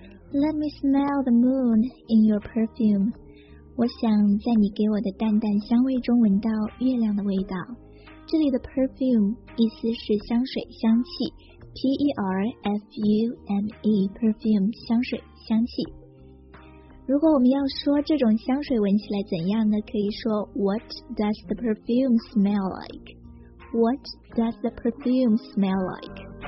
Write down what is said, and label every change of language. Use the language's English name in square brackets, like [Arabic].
[English] Let me smell the moon in your perfume. [Chinese] 我想在你给我的淡淡香味中闻到月亮的味道。这里的 perfume 意思是香水香气， P-E-R-F-U-M-E perfume 香水香气。如果我们要说这种香水闻起来怎样呢，可以说 [English] What does the perfume smell like? What does the perfume smell like?